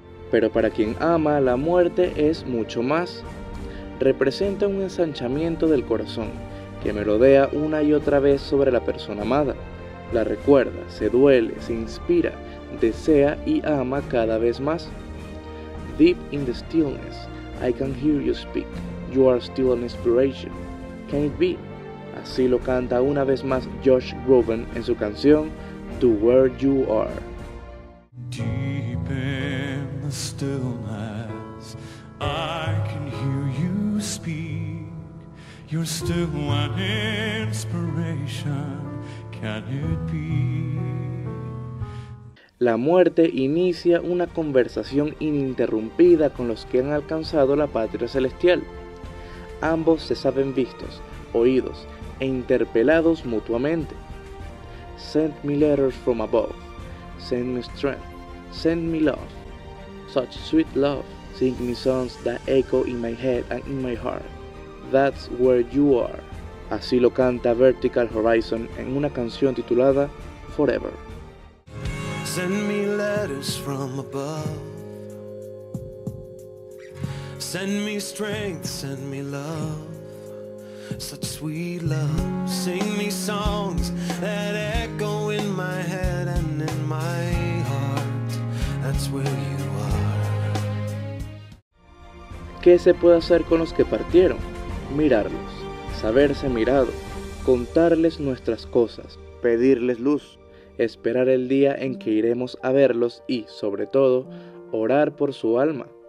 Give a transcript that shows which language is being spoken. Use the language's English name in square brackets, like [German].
[Spanish] Pero para quien ama, la muerte es mucho más. Representa un ensanchamiento del corazón, que merodea una y otra vez sobre la persona amada. La recuerda, se duele, se inspira, desea y ama cada vez más. [English] Deep in the stillness, I can hear you speak. You are still an inspiration. Can it be? [Spanish] Así lo canta una vez más Josh Groban en su canción, To Where You Are. [English] Deep stillness, I can hear you speak. You're still an inspiration. Can it be? [Spanish] La muerte inicia una conversación ininterrumpida con los que han alcanzado la patria celestial. Ambos se saben vistos, oídos e interpelados mutuamente. [English] Send me letters from above. Send me strength. Send me love. Such sweet love, sing me songs that echo in my head and in my heart. That's where you are. [Spanish] Así lo canta Vertical Horizon en una canción titulada Forever. [English] Send me letters from above. Send me strength, send me love. Such sweet love, sing me songs that echo in my head and in my heart. That's where you are. [Spanish] ¿Qué se puede hacer con los que partieron? Mirarlos, saberse mirado, contarles nuestras cosas, pedirles luz, esperar el día en que iremos a verlos y, sobre todo, orar por su alma.